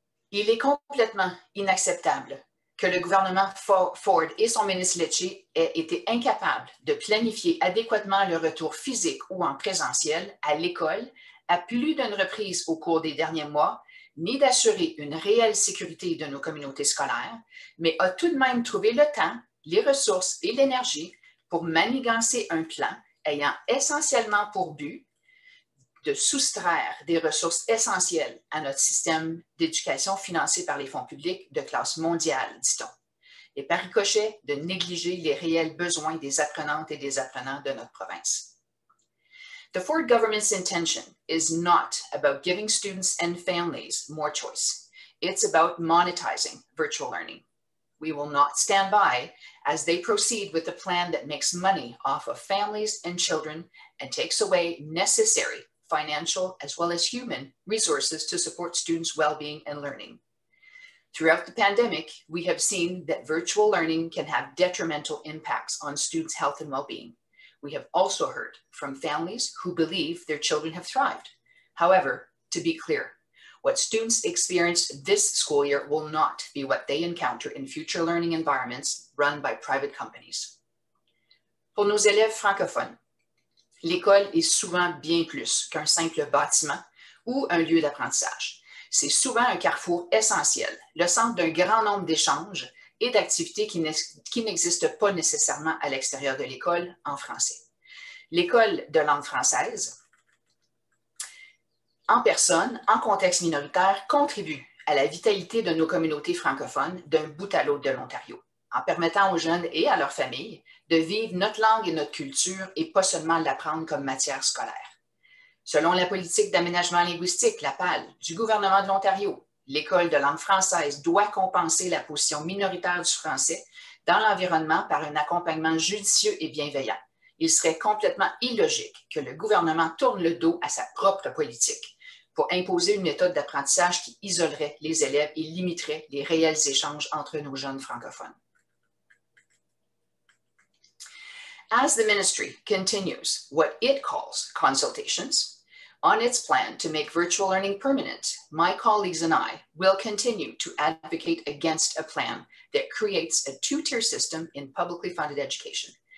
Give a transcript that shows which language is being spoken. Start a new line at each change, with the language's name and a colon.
French: Il est complètement inacceptable que le gouvernement Ford et son ministre Lecce aient été incapables de planifier adéquatement le retour physique ou en présentiel à l'école à plus d'une reprise au cours des derniers mois, ni d'assurer une réelle sécurité de nos communautés scolaires, mais a tout de même trouvé le temps, les ressources et l'énergie pour manigancer un plan ayant essentiellement pour but de soustraire des ressources essentielles à notre système d'éducation financé par les fonds publics de classe mondiale, dit-on, et par ricochet de négliger les réels besoins des apprenantes et des apprenants de notre province.
English: The Ford government's intention is not about giving students and families more choice. It's about monetizing virtual learning. We will not stand by as they proceed with a plan that makes money off of families and children and takes away necessary financial as well as human resources to support students' well-being and learning. Throughout the pandemic, we have seen that virtual learning can have detrimental impacts on students' health and well-being. We have also heard from families who believe their children have thrived. However, to be clear, what students experience this school year will not be what they encounter in future learning environments run by private companies.
French: Pour nos élèves francophones, l'école est souvent bien plus qu'un simple bâtiment ou un lieu d'apprentissage. C'est souvent un carrefour essentiel, le centre d'un grand nombre d'échanges et d'activités qui n'existent pas nécessairement à l'extérieur de l'école en français. L'école de langue française, en personne, en contexte minoritaire, contribue à la vitalité de nos communautés francophones d'un bout à l'autre de l'Ontario, en permettant aux jeunes et à leurs familles de vivre notre langue et notre culture et pas seulement l'apprendre comme matière scolaire. Selon la politique d'aménagement linguistique, la PAL, du gouvernement de l'Ontario, l'école de langue française doit compenser la position minoritaire du français dans l'environnement par un accompagnement judicieux et bienveillant. Il serait complètement illogique que le gouvernement tourne le dos à sa propre politique pour imposer une méthode d'apprentissage qui isolerait les élèves et limiterait les réels échanges entre nos jeunes francophones.
English: As the ministry continues what it calls consultations, on its plan to make virtual learning permanent, my colleagues and I will continue to advocate against a plan that creates a two-tier system in publicly funded education.